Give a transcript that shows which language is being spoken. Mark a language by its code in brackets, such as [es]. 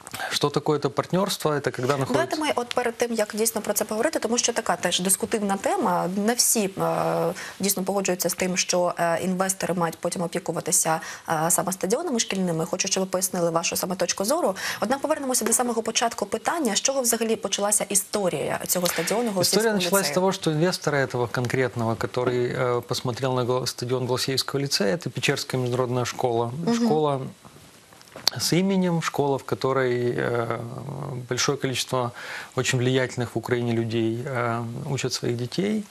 [ru] Что такое это партнерство? Это когда находится... Давайте мы от перед тем, как действительно про это поговорить, потому что такая тоже дискутивная тема. Не все действительно погоджуются с тем, что инвесторы мають потом опікуватися саме стадионами шкільними. Хочу, чтобы вы пояснили вашу саме точку зору. [uk] Однако повернемося до самого початку питання. С чого взагалі почалася история этого стадиона? [ru] История началась с того, что инвестора этого конкретного, который посмотрел на стадион Голосіївського ліцею, это Печерская международная школа. Школа с именем, школа, в которой большое количество очень влиятельных в Украине людей учат своих детей.